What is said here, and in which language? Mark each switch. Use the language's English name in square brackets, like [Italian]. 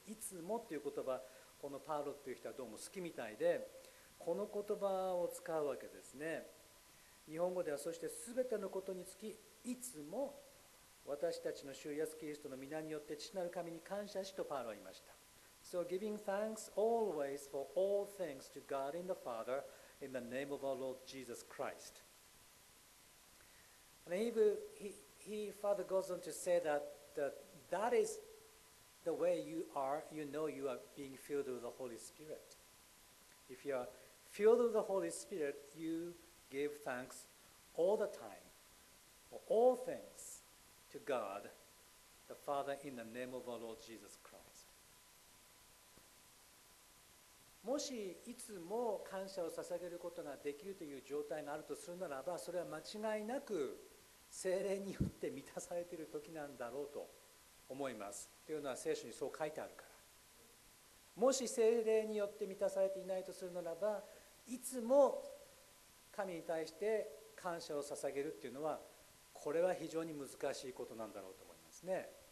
[Japanese] いつもっていう言葉、このパウロっていう人はどうも好きみたいで、この言葉を使うわけですね。日本語ではそしてすべてのことにつき、いつも私たちの主イエスキリストの皆によって父なる神に感謝しとパウロは言いました。 [English] So giving thanks always for all things to God in the Father in the name of our Lord Jesus Christ. And he further goes on to say that is the way you know you are being filled with the Holy Spirit. If you are filled with the Holy Spirit, you give thanks all the time for all things to God the Father in the name of our Lord Jesus Christ. [Japanese] もしいつも感謝を捧げることができるという状態があるとするならば、それは間違いなく聖霊によって満たされている時なんだろうと思います。というのは聖書にそう書いてあるから。もし聖霊によって満たされていないとするならば、いつも神に対して感謝を捧げるというのは、これは非常に難しいことなんだろうと思いますね。